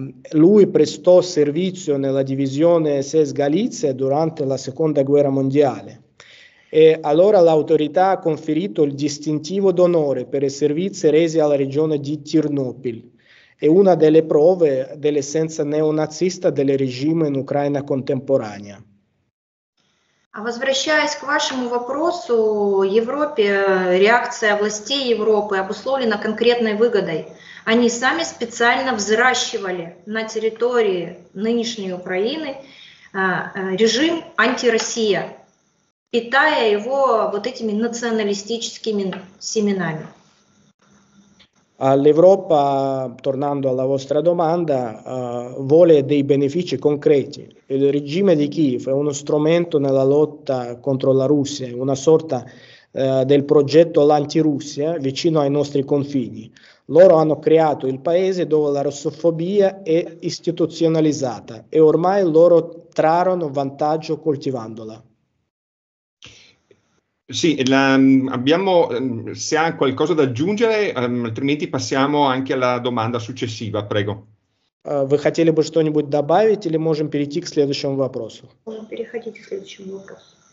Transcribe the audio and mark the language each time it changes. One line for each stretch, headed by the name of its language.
Italian: Lui prestò servizio nella divisione SS Galizia durante la Seconda Guerra Mondiale e allora l'autorità ha conferito il distintivo d'onore per i servizi resi alla regione di Chernobyl. È una delle prove dell'essenza neonazista del regime in Ucraina contemporanea.
Russian: А возвращаясь к вашему вопросу, Европе, реакция властей Европы обусловлена конкретной выгодой. Они сами специально взращивали на территории нынешней Украины режим антироссия, питая его вот этими националистическими семенами.
Italian: All'Europa, tornando alla vostra domanda, vuole dei benefici concreti. Il regime di Kiev è uno strumento nella lotta contro la Russia, una sorta del progetto l'antirussia vicino ai nostri confini. Loro hanno creato il paese dove la russofobia è istituzionalizzata e ormai loro trarono vantaggio coltivandola. Sì, se ha qualcosa da aggiungere, altrimenti passiamo anche alla domanda successiva, prego.
Russian: Вы хотели бы что-нибудь добавить или можем перейти к следующему вопросу? Можем перейти к следующему вопросу.